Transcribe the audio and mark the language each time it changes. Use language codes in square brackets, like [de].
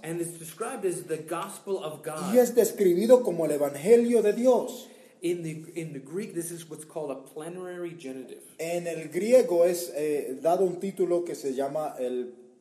[en] And it's described as the gospel of God. [es] Y es describido como el evangelio de Dios. [en] In the Greek, this is what's called a plenary genitive. [es] En el griego es dado un título que se llama el